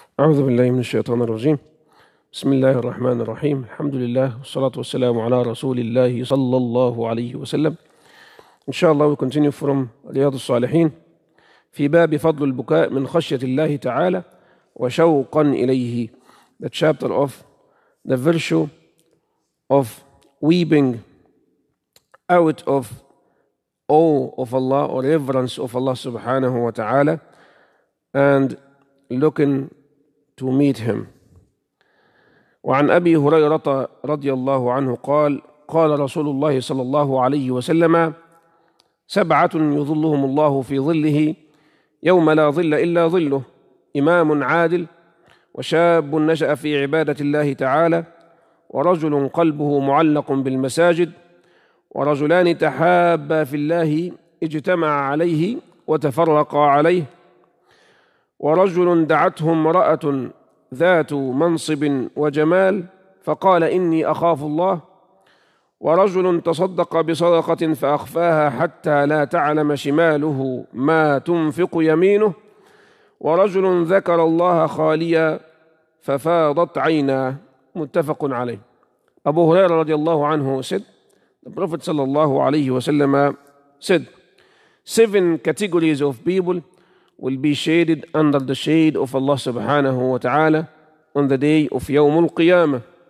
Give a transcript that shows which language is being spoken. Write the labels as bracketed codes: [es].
[ar] أعوذ بالله من الشيطان الرجيم. بسم الله الرحمن الرحيم. الحمد لله والصلاة والسلام على رسول الله صلى الله عليه وسلم. إن شاء الله [en] we continue from [ar] رياض الصالحين في باب فضل البكاء من خشية الله تعالى وشوقا إليه. [en] The chapter of the virtue of weeping out of awe of Allah or reverence of Allah سبحانه وتعالى and looking to meet him. [ar] وعن أبي هريرة رضي الله عنه قال قال رسول الله صلى الله عليه وسلم سبعة يظلهم الله في ظله يوم لا ظل إلا ظله: إمام عادل، وشاب نشأ في عبادة الله تعالى، ورجل قلبه معلق بالمساجد، ورجلان تحابا في الله اجتمع عليه وتفرقا عليه، ورجل دعته امرأة ذات منصب وجمال فقال إني أخاف الله، ورجل تصدق بصدقة فأخفاها حتى لا تعلم شماله ما تنفق يمينه، ورجل ذكر الله خاليا ففاضت عينا. متفق عليه. [en] أبو هريرة [ar] رضي الله عنه [en] said the Prophet [ar] صلى الله عليه وسلم [en] said seven categories of people will be shaded under the shade of Allah subhanahu wa ta'ala on the day of Yawm al-Qiyamah.